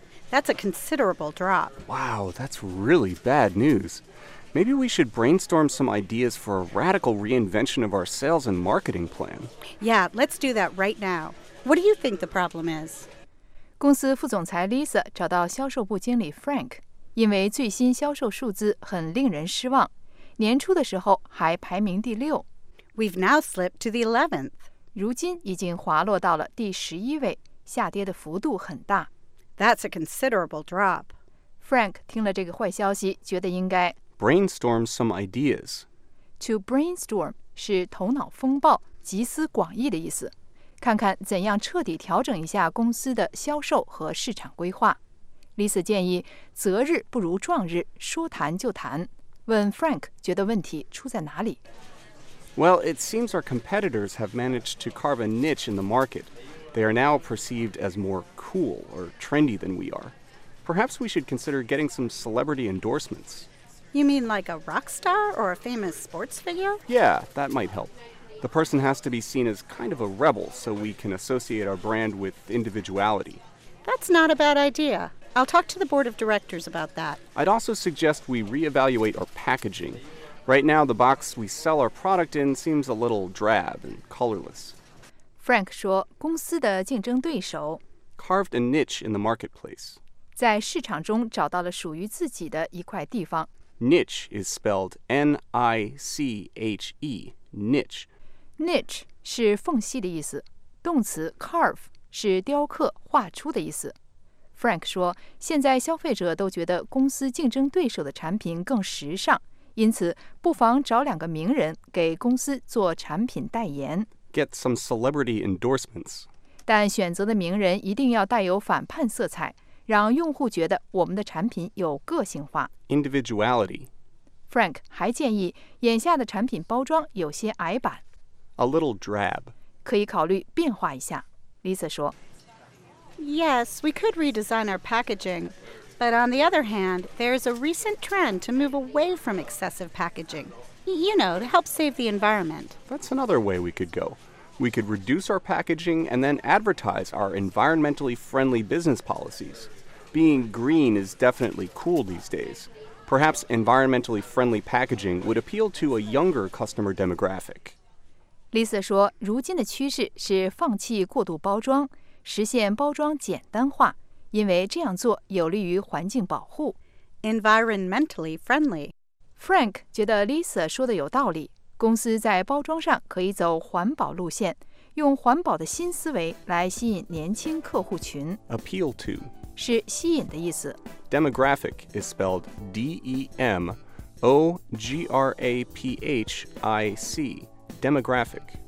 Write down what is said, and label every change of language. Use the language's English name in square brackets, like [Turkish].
[English] That's a considerable drop. Wow, that's really bad news. Maybe we should brainstorm some ideas for a radical reinvention of our sales and marketing plan. Yeah, let's do that right now. What do you think the problem is? [Chinese] 公司副总裁 Lisa 找到销售部经理 Frank, 因为最新销售数字很令人失望。年初的时候还排名第六。 [English] We've now slipped to the 11th. [Chinese] 如今已经滑落到了第十一位，下跌的幅度很大。 [English] That's a considerable drop. [Chinese] Frank 听了这个坏消息，觉得应该 [English] brainstorm some ideas. To brainstorm [Chinese] 是头脑风暴、集思广益的意思，看看怎样彻底调整一下公司的销售和市场规划。 Lisa 建议择日不如撞日，说谈就谈。问 Frank 觉得问题出在哪里？ [English] Well, it seems our competitors have managed to carve a niche in the market. They are now perceived as more cool or trendy than we are. Perhaps we should consider getting some celebrity endorsements. You mean like a rock star or a famous sports figure? Yeah, that might help. The person has to be seen as kind of a rebel so we can associate our brand with individuality. That's not a bad idea. I'll talk to the board of directors about that. I'd also suggest we reevaluate our packaging. Right now, the box we sell our product in seems a little drab and colorless. [Chinese] Frank 说公司的竞争对手 [English] carved a niche in the marketplace. [Chinese] 在市场中找到了属于自己的一块地方。 [English] Niche is spelled N-I-C-H-E, niche. [Chinese] Niche 是缝隙的意思。动词 carve 是雕刻、画出的意思。 Frank 说，现在消费者都觉得公司竞争对手的产品更时尚，因此不妨找两个名人给公司做产品代言。 [English] Get some celebrity endorsements. [Chinese] 但选择的名人一定要带有反叛色彩，让用户觉得我们的产品有个性化。 [English] Individuality. [Chinese] Frank 还建议，眼下的产品包装有些矮板。 [English] A little drab. [Chinese] 可以考虑变化一下。Lisa 说。 [English] Yes, we could redesign our packaging. But on the other hand, there is a recent trend to move away from excessive packaging. You know, to help save the environment. That's another way we could go. We could reduce our packaging and then advertise our environmentally friendly business policies. Being green is definitely cool these days. Perhaps environmentally friendly packaging would appeal to a younger customer demographic. [Chinese] Lisa 说，如今的趋势是放弃过度包装，实现包装简单化，因为这样做有利于环境保护。 [English] Environmentally friendly. [Chinese] Frank 觉得 Lisa 说的有道理，公司在包装上可以走环保路线，用环保的新思维来吸引年轻客户群。 [English] Appeal to [Chinese] 是吸引的意思。 [English] Demographic is spelled D-E-M-O-G-R-A-P-H-I-C. Demographic.